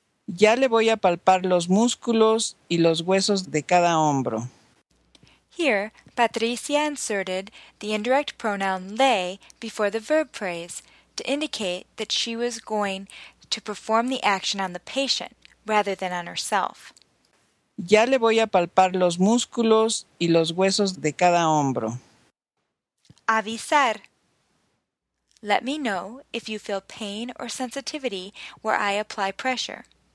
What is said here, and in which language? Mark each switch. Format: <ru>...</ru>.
<es>Ya le voy a palpar los músculos y los huesos de cada hombro.</es> <en>Here, Patricia inserted the indirect pronoun le before the verb phrase to indicate that she was going to perform the action on the patient rather than on herself.</en> <es>Ya le voy a palpar los músculos y los huesos de cada hombro. Avisar.</es> <en>Let me know if you feel pain or sensitivity where I apply pressure.</en>